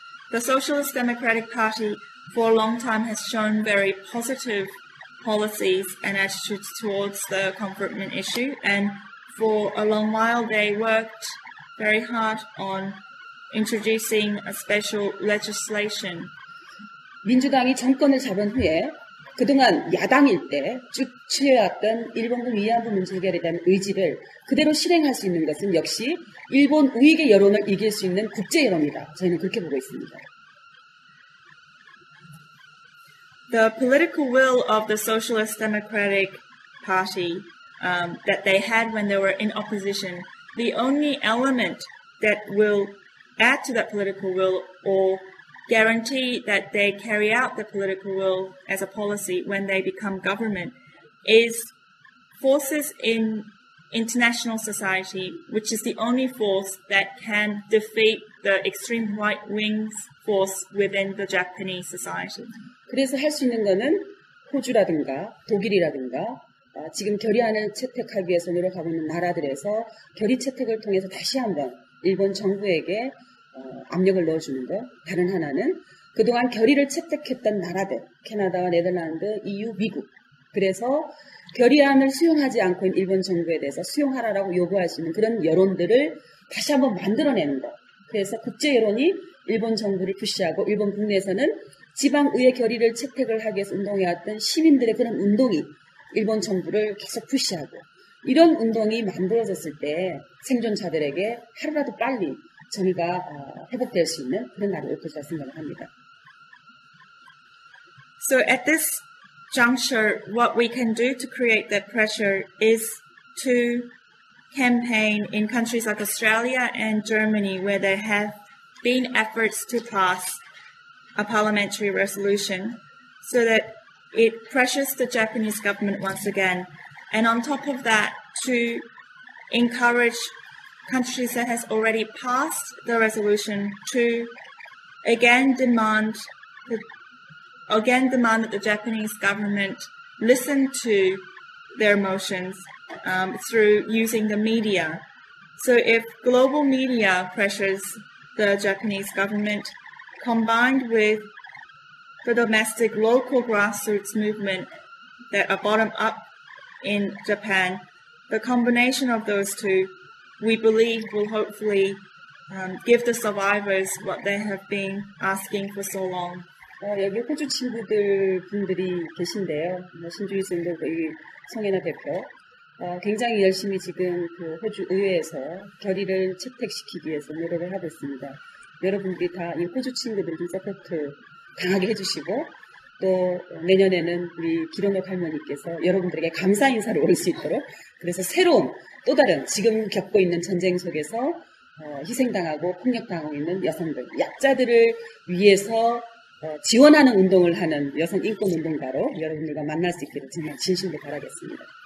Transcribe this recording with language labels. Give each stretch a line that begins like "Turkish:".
English: The Socialist Democratic Party for a long time has shown very positive policies and attitudes towards the confinement issue, and for a long while they worked very hard on introducing a special legislation.
Korean: 민주당이 정권을 잡은 후에 그동안 야당일 때 쭉 취해왔던 일본군 위안부 문제 해결에 대한 의지를 그대로 실행할 수 있는 것은 역시 일본 우익의 여론을 이길 수 있는 국제 여론이다. 저희는 그렇게 보고 있습니다.
English: The political will of the Socialist Democratic Party that they had when they were in opposition, the only element that will add to that political will or guarantee that they carry out the political will as a policy when they become government is forces in international society, which is the only force that can defeat the extreme right wing's force within the Japanese society.
Korean: 그래서 할 수 있는 거는 호주라든가 독일이라든가 지금 결의안을 채택하기 위해서 노력하고 있는 나라들에서 결의 채택을 통해서 다시 한번 일본 정부에게 압력을 넣어주는 거. 다른 하나는 그동안 결의를 채택했던 나라들, 캐나다와 네덜란드, EU, 미국. 그래서 결의안을 수용하지 않고 있는 일본 정부에 대해서 수용하라라고 요구할 수 있는 그런 여론들을 다시 한번 만들어내는 거. 그래서 국제 여론이 일본 정부를 푸시하고 일본 국내에서는 지방의회 결의를 채택을 하기 위해서 운동해왔던 시민들의 그런 운동이 일본 정부를 계속 푸시하고 이런 운동이 만들어졌을 때 생존자들에게 하루라도 빨리 정의가 회복될 수 있는 그런 날이 올 것이라 생각을 합니다.
English: So at this juncture, what we can do to create that pressure is to campaign in countries like Australia and Germany where there have been efforts to pass a parliamentary resolution so that it pressures the Japanese government once again. And on top of that, to encourage countries that has already passed the resolution to again demand that the Japanese government listen to their motions through using the media. So if global media pressures the Japanese government combined with the domestic local grassroots movement that are bottom up in Japan, the combination of those two, we believe will hopefully give the survivors what they have been asking for so long.
Korean: 여기 호주 친구분들이 계신데요. 신주희 선생님도 여기 송혜나 대표. 굉장히 열심히 지금 그 호주 의회에서 결의를 채택시키기 위해서 노력을 하고 있습니다. 여러분들이 다 이 호주 친구들 좀 서포트 강하게 해주시고 또 내년에는 우리 기론옥 할머니께서 여러분들에게 감사 인사를 올릴 수 있도록 그래서 새로운 또 다른 지금 겪고 있는 전쟁 속에서 희생당하고 폭력당하고 있는 여성들, 약자들을 위해서 지원하는 운동을 하는 여성 인권 운동가로 여러분들과 만날 수 있기를 정말 진심으로 바라겠습니다.